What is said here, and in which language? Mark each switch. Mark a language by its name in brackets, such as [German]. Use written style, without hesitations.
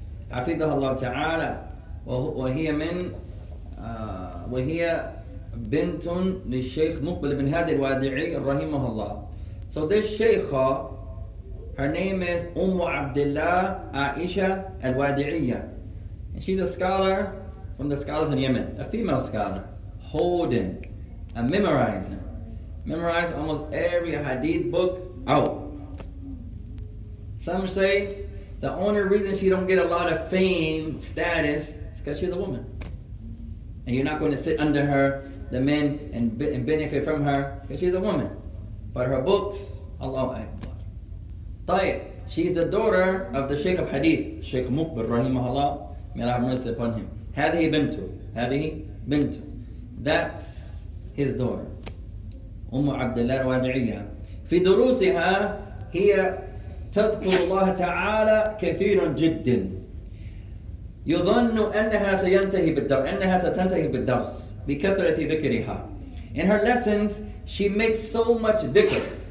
[Arabic] عفيدها الله تعالى وهي من وهي بنت للشيخ مقبل بن هادي الوادعي رحمه الله. [English] So this sheikh, her name is أم عبد الله عائشة الوادعية. And she's a scholar from the scholars in Yemen, a female scholar, holding and memorizing almost every hadith book out. Some say the only reason she don't get a lot of fame, status, is because she's a woman. And you're not going to sit under her, the men, and benefit from her, because she's a woman. But her books, Allahu Akbar. [Arabic] Tayyip, [English] she's the daughter of the Sheikh of Hadith, Sheikh Muqbil, rahimahullah, may Allah have mercy upon him. [Arabic] Hadhi bintu. [English] That's his daughter. [Arabic] Ummu Abdullah Wadi'iyya. Fi durusiha, hiya تذكر الله تعالى كثيرا جدا يظن أنها سينتهي بالدرس أنها ستنتهي بالدرس بكثرة ذكرها. [English] In her lessons, she makes so much dhikr.